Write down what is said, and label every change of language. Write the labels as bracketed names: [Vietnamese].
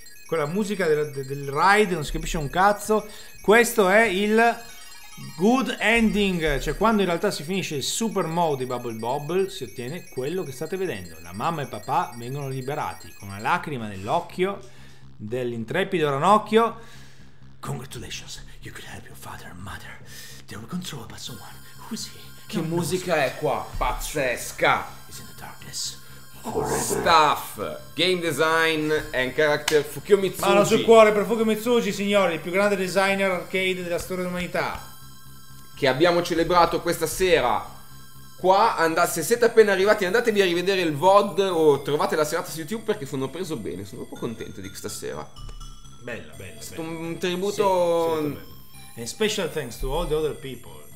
[Italian] Con la musica del ride, non si capisce un cazzo. Questo è il good ending, cioè quando in realtà si finisce il super mode di Bubble Bobble si ottiene quello che state vedendo. La mamma e papà vengono liberati con una lacrima nell'occhio dell'intrepido Ranocchio. [English] Congratulations, you could help your father and mother. They were controlled by someone. Who's he? [Italian] Che musica è qua? Pazzesca! [English] Is in the darkness. Staff, game design and character Fukio Mitsuji. [Italian] Mano sul cuore per Fukio Mitsuji, signori, il più grande designer arcade della storia dell'umanità. Che abbiamo celebrato questa sera. Qua, se siete appena arrivati, andatevi a rivedere il VOD o trovate la serata su YouTube perché sono preso bene. Sono un po' contento di questa sera. Bella. È stato un tributo. [English] Sì, and special thanks to all the other people.